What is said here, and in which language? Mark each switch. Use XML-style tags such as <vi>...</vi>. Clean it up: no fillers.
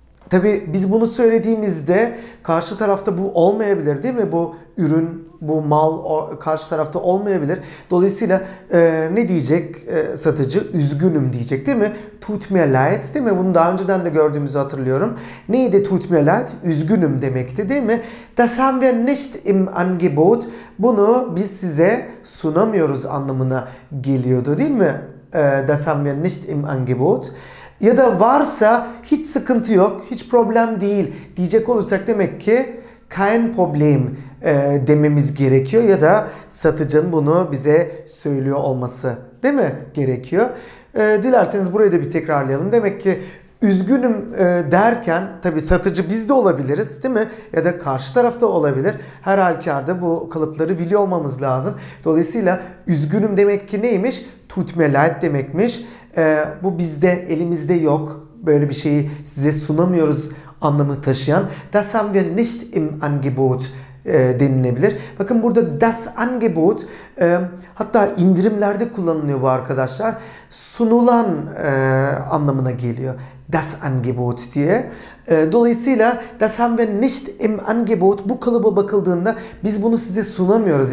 <tr>Tabii biz bunu söylediğimizde karşı tarafta bu olmayabilir değil mi? Bu ürün, bu mal karşı tarafta olmayabilir. Dolayısıyla ne diyecek satıcı? Üzgünüm diyecek değil mi?</tr> <de>Tut mir leid</de> <tr>değil mi? Bunu daha önceden de gördüğümüzü hatırlıyorum. Neydi</tr> <de>tut mir leid?</de> <tr>Üzgünüm demekti değil mi?</tr> <de>Das haben wir nicht im Angebot.</de> <tr>Bunu biz size sunamıyoruz anlamına geliyordu değil mi?</tr> <de>Das haben wir nicht im Angebot.</de> <tr>Ya da varsa hiç sıkıntı yok, hiç problem değil diyecek olursak demek ki</tr> <de>kein Problem</de> <tr>dememiz gerekiyor ya da satıcının bunu bize söylüyor olması, değil mi, gerekiyor. Dilerseniz burayı da bir tekrarlayalım. Demek ki üzgünüm derken tabii satıcı biz de olabiliriz, değil mi? Ya da karşı tarafta olabilir. Her halükarda bu kalıpları biliyor olmamız lazım. Dolayısıyla üzgünüm demek ki neymiş?</tr> <de>Tut me leid</de> <tr>demekmiş. Bu bizde, elimizde yok. Böyle bir şeyi size sunamıyoruz anlamı taşıyan.</tr> <de>Das haben wir nicht im Angebot</de> <tr>denilebilir. Bakın burada das Angebot hatta indirimlerde kullanılıyor bu arkadaşlar. Sunulan anlamına geliyor. Das Angebot diye. Dolayısıyla</tr> <de>das haben wir nicht im Angebot,</de> <tr>bu kalıba bakıldığında biz bunu size sunamıyoruz.</tr>